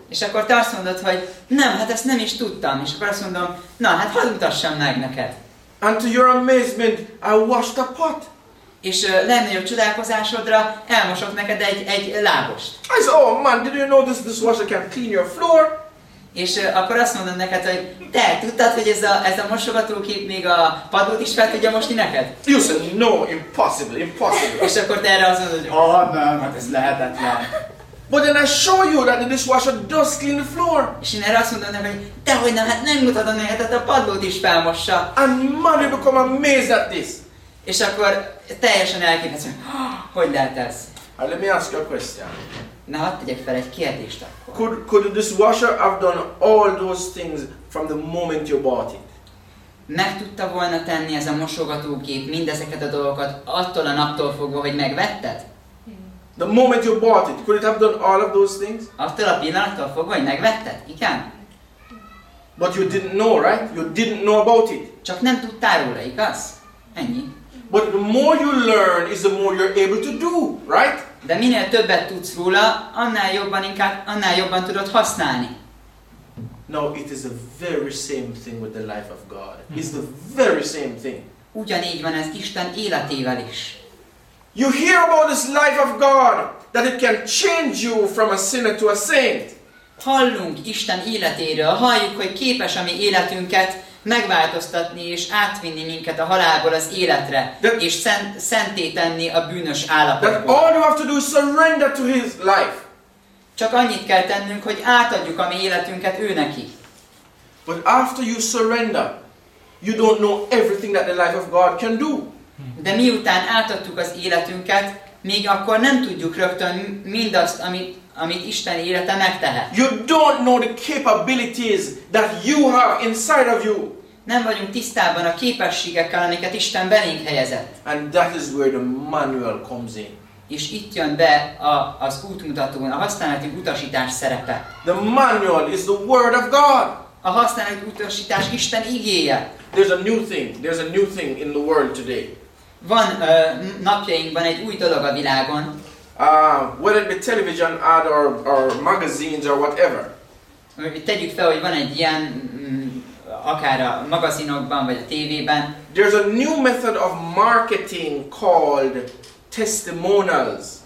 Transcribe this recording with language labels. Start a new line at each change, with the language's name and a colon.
Hungarian: És akkor te azt mondod, hogy nem, hát ezt nem is tudtam. És akkor azt mondom, na, hát hadd mutassam meg neked.
English: And to your amazement, I washed a pot.
Hungarian: És legnagyobb csodálkozásodra elmosok neked egy lábost.
English: I said, oh man, did you know this dishwasher can clean your floor?
Hungarian: És akkor azt mondom neked, hogy te tudtad, hogy ez a mosogatókép még a padot is fel tudja mosni neked?
English: You said, no, impossible.
Hungarian: És akkor te erre azt mondod, hogy oh nem, hát ez lehetetlen.
English: But then I show you that the dishwasher does clean the floor.
Hungarian: És én erre azt mondom neked, hogy dehogy nem, hát nem mutatom neked, hát a padot is felmossa.
English: And man, you become amazed at this.
Hungarian: És akkor teljesen elképesztő, hogy lehet ez?
English: And let me ask you a question.
Hungarian: Na, hadd tegyek fel egy kérdést akkor.
English: Could the dishwasher have done all those things from the moment you bought it?
Hungarian: Meg tudta volna tenni ez a mosogatógép mindezeket a dolgokat attól a naptól fogva, hogy megvetted?
English: The moment you bought it, could it have done all of those things?
Hungarian: Attól a pillanattól fogva, hogy megvetted? Igen?
English: But you didn't know, right? You didn't know about it.
Hungarian: Csak nem tudtál róla, igaz? Ennyi.
English: But the more you learn is the more you're able to do, right?
Hungarian: De minél többet tudsz róla, annál jobban tudod használni.
English: No, it is the very same thing with the life of God. It's the very same thing.
Hungarian: Ugyanígy van ez Isten életével is.
English: You hear about this life of God, that it can change you from a sinner to a saint.
Hungarian: Hallunk Isten életéről, halljuk, hogy képes a mi életünket megváltoztatni és átvinni minket a halálból az életre,
English: that,
Hungarian: és szentté tenni a bűnös állapotból.
English: All you have to do is surrender to his life.
Hungarian: Csak annyit kell tennünk, hogy átadjuk a mi életünket ő neki.
English: But after you surrender, you don't know everything that the life of God can do.
Hungarian: De miután átadtuk az életünket, még akkor nem tudjuk rögtön mindazt, amit Isten élete megtehet.
English: You don't know the capabilities that you have inside of you.
Hungarian: Nem vagyunk tisztában a képességekkel, amiket Isten belénk helyezett.
English: And that is where the manual comes in.
Hungarian: És itt jön be az útmutató, a használati utasítás szerepe.
English: The manual is the word of God.
Hungarian: A használati utasítás Isten igéje.
English: There's a new thing in the world today.
Hungarian: Van napjainkban egy új dolog a világon.
English: Whether it be television ad or magazines or whatever.
Hungarian: Tegyük fel, hogy van egy ilyen, akár a magazinokban vagy a tévében.
English: There's a new method of marketing called testimonials.